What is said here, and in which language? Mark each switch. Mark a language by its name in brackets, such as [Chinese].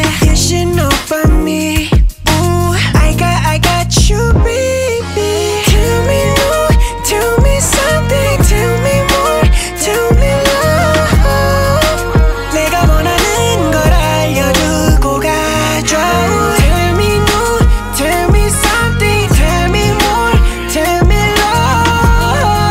[English] You should know about me. Ooh, I got you, baby. Tell me more, tell me something. Tell me more, tell me love. [Korean] 내가 원하는 걸 알려주고 가줘. [English] Tell me more, tell me something. Tell me more, tell me love.